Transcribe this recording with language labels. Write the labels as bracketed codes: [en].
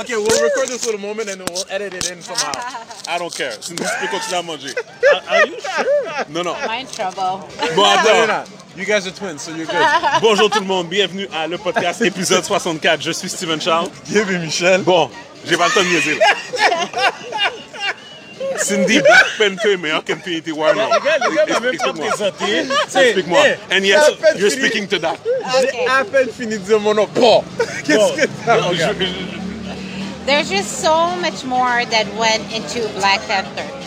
[en] okay, we'll record this for the moment and then we'll edit it in somehow. I don't care. [fr] Sinon, je peux continuer à manger. [en] Are you sure? No, no. Am I in trouble? [fr] Bon, attends, [en] you guys are twins, so you're good. [fr] Bonjour tout le monde, bienvenue à le podcast épisode 64. Je suis Steven Charles. Bienvenue, Michel. Bon, j'ai pas le temps de niaiser. Cindy, Black Panther, meilleur qu'Infinity War. Les gars, même pas présenté. Explique-moi. [en] And yes, you're speaking to that. [fr] J'ai à peine fini de dire mon nom. Bon, qu'est-ce que t'as? [en] There's just so much more that went into Black Panther.